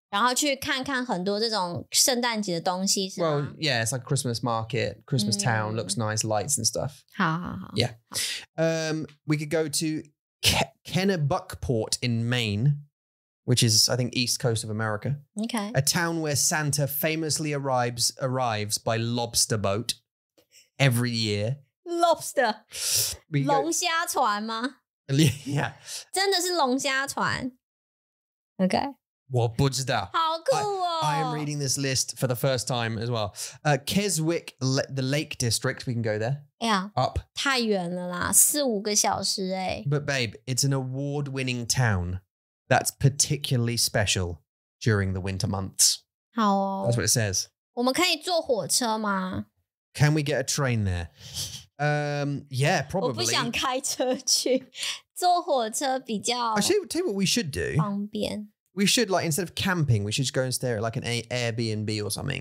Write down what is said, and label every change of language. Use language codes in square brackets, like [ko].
[zh] 然后去看看很多这种圣诞节的东西, [en] well, yeah, it's like Christmas market, Christmas town, looks nice, lights and stuff. [zh] 好好好, yeah. 好。 [en] We could go to Kennebunkport in Maine, which is, I think, east coast of America. Okay. A town where Santa famously arrives by lobster boat every year. [zh] Lobster. 龙虾船吗? [en] Yeah. [zh] 真的是龙虾船?Okay. 我不知道。好酷哦! [en] I am reading this list for the first time as well. Keswick, the Lake District, we can go there. Yeah. Up. [zh] 太远了啦,四五个小时欸。 [en] But babe, it's an award-winning town that's particularly special during the winter months. [zh] 好哦。 [en] That's what it says. [zh] 我们可以坐火车吗? [en] Can we get a train there? Yeah, probably. [zh] 我不想开车去,坐火车比较... [en] Actually, tell you what we should do. [zh] 方便。 [en] We should, like, instead of camping, we should just go and stay at, like, an Airbnb or something.